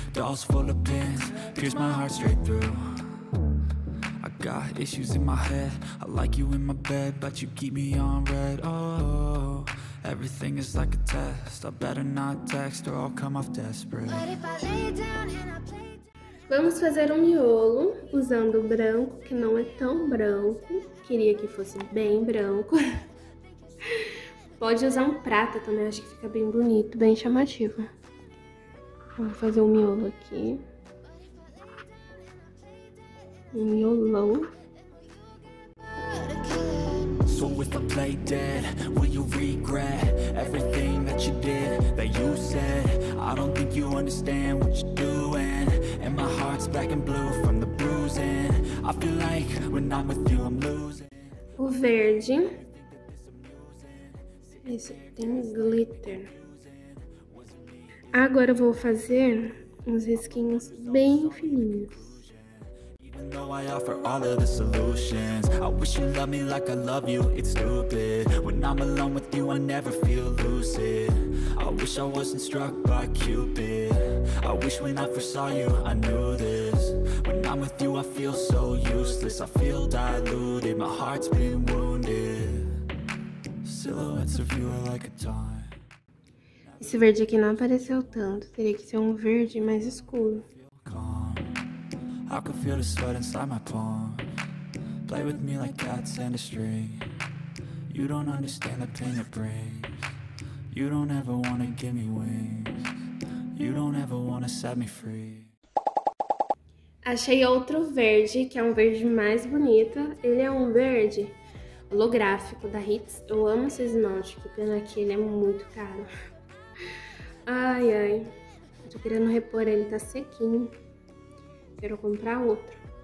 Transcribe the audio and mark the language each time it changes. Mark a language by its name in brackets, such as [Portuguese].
[English] Dolls full of pins, pierce my heart straight through. I got issues in my head. I like you in my bed, but you keep me on red. Oh, everything is like a test. I better not text or I'll come off desperate. But if I lay down and I play... [Portuguese] Vamos fazer miolo usando branco, que não é tão branco. Queria que fosse bem branco. Pode usar prata também, acho que fica bem bonito, bem chamativo. Vou fazer um miolo aqui. Um miolão. [English] So if I play dead, will you regret everything that you did, that you said? I don't think you understand what you're doing. And my heart's black and blue from the bruising. I feel like when I'm with you, I'm losing. [Portuguese] O verde. Isso, tem glitter. Agora eu vou fazer uns risquinhos bem fininhos. [English] Even though I offer all of the solutions, I wish you loved me like I love you, it's stupid. When I'm alone with you, I never feel lucid. I wish I wasn't struck by Cupid. I wish when I first saw you, I knew this. When I'm with you, I feel so useless. I feel diluted, my heart's been wounded. Silhouettes of you are like a dawn. [Portuguese] Esse verde aqui não apareceu tanto, teria que ser um verde mais escuro. [English] I can feel the sweat inside my palm. Play with me like cats and a string. You don't understand the pain it brings. You don't ever wanna give me wings. You don't ever wanna set me free. [Portuguese] Achei outro verde, que é um verde mais bonito. Ele é um verde holográfico da Hits. Eu amo esse esmalte, que pena que ele é muito caro. Ai, ai. Tô querendo repor ele, tá sequinho. Quero comprar outro.